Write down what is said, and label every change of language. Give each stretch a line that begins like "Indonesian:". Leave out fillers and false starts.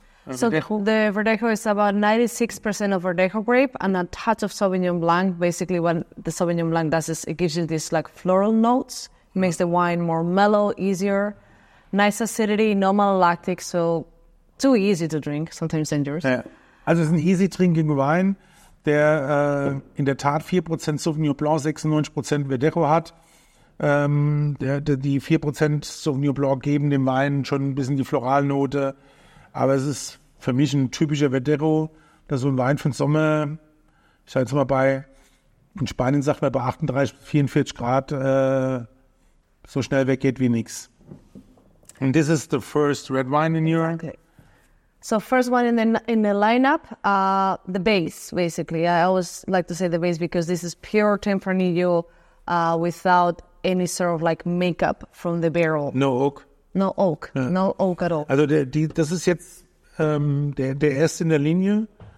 English: So the Verdejo is about 96% of Verdejo grape and a touch of Sauvignon Blanc. Basically, what the Sauvignon Blanc does is it gives you these like floral notes, makes the wine more mellow, easier, nice acidity, no malolactic, so too easy to drink, sometimes dangerous.
German: Ja. Also es ist ein easy drinking Wein, der in der Tat 4% Sauvignon Blanc, 96% Verdejo hat. Die 4% Sauvignon Blanc geben dem Wein schon ein bisschen die Floralnote. Aber es ist für mich ein typischer Verdejo, dass so ein Wein von Sommer, ich sage jetzt mal bei, in Spanien sagt man bei 38, 44 Grad, so schnell weggeht wie nichts.
English: And this is the first red wine in Europe. Okay. So first one in the lineup, the base, basically. I always like to say the base because this is pure Tempranillo without any sort of like makeup from the barrel. No oak. No oak, ja. No oak at all.
German: Also das ist jetzt der erste in der Linie.